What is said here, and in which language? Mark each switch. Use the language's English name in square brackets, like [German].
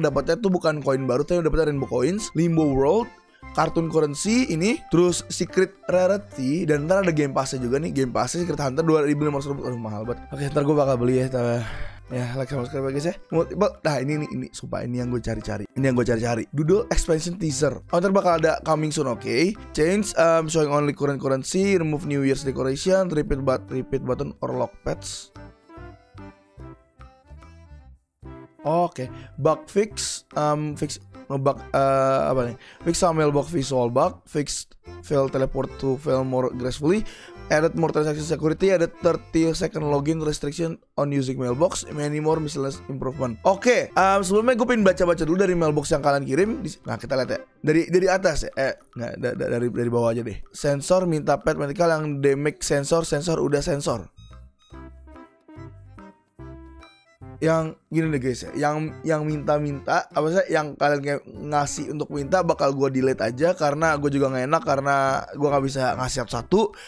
[Indonesian] Dapatnya tuh bukan koin baru, tapi dapatnya Rainbow Coins. Limbo World, Cartoon Currency ini. Terus Secret Rarity. Dan ntar ada Game Pass-nya juga nih. Game Pass-nya Secret Hunter 2500. Aduh mahal banget. Oke, ntar gue bakal beli ya. Ya like sama subscribe guys ya. Nah ini sumpah ini yang gue cari-cari. Doodle Expansion Teaser. Oh ntar bakal ada [English] coming soon. Okay. Change showing only current currency. Remove New Year's decoration. Repeat button or lock pets. Okay. Bug fix, fix [Indonesian] ngebug apa nih? [English] Fix some mailbox visual bug, fix fail teleport to fail more gracefully, added more transaction security, added 30 second login restriction on using mailbox, many more miscellaneous improvement. Okay. [Indonesian] Sebelumnya gue pengen baca-baca dulu dari mailbox yang kalian kirim. Nah, kita lihat ya. Dari atas ya. Dari bawah aja deh. Sensor minta pet medical yang damage sensor udah sensor. Yang gini deh guys ya, yang minta-minta apa sih yang kalian ngasih untuk minta bakal gue delete aja karena gue juga nggak enak karena gue nggak bisa ngasih satu.